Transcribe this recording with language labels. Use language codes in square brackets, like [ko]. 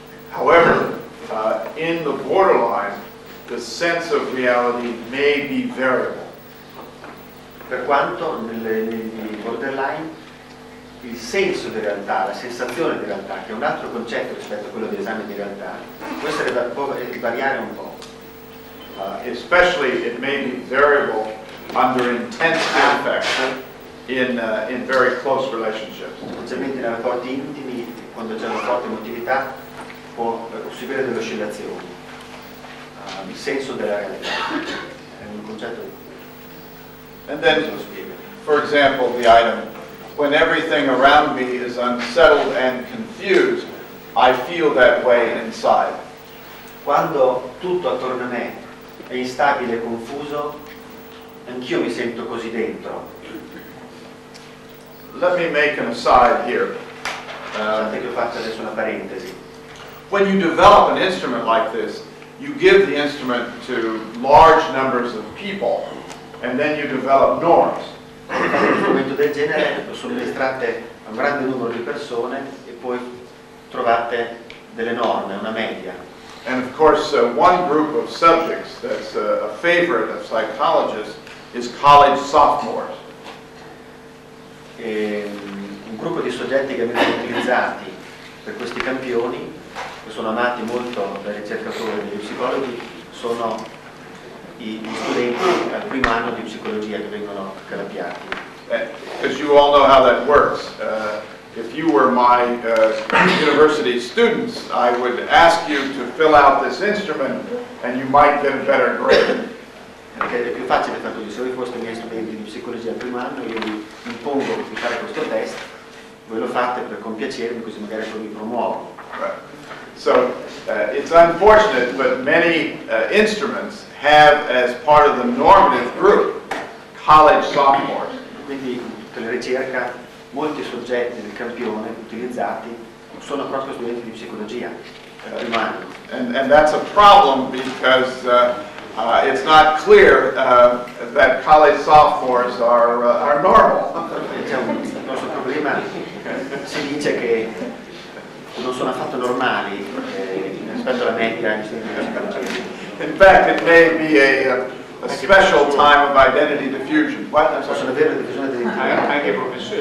[en] However, in the borderline, the sense of reality may be variable. [it] Per quanto nei borderline il senso di realtà, la sensazione di realtà, che è un altro concetto rispetto a quello dell'esame di realtà, può essere variare un po'. [en] Especially it may be variable under intense affect in very close relationships. [it] Specialmente nei rapporti intimi, quando c'è una forte emotività, può subire delle oscillazioni. Il senso della realtà è un concetto. [en] And then, for example, the item, when everything around me is unsettled and confused, I feel that way inside. [it] Quando tutto attorno a me è instabile e confuso, anch'io mi sento così dentro. [en] Let me make an aside here. [it] Aspetta che faccio adesso una parentesi. [en] When you develop an instrument like this, you give the instrument to large numbers of people, and then you develop norms. [it] Un strumento del genere sono estratte a un grande numero di persone e poi trovate delle norme, una media. [en] And of course, one group of subjects that's a favorite of psychologists is college sophomores. [it] E un gruppo di soggetti che vengono utilizzati per questi campioni, che sono amati molto dai ricercatori e dagli psicologi, sono gli studenti al primo anno di psicologia che vengono terapiati. [en] Because you all know how that works. If you were my university students, I would ask you to fill out this instrument and you might get a better grade. [it] Perché è più facile, tanto se voi foste miei studenti di psicologia al primo anno, io vi impongo di fare questo test, voi lo fate per compiacermi, così magari poi vi promuovo. [en] So, it's unfortunate, but many instruments have, as part of the normative group, college sophomores. [it] Quindi, per ricerca, molti soggetti del campione utilizzati sono proprio studenti di psicologia, primo anno. [en] And that's a problem because it's not clear that college sophomores are normal. [it] C'è un nostro problema, si dice che non sono affatto normali rispetto alla media. [en] In fact, it may be a special time of identity diffusion. What? I'm sorry. [it] Anche professore,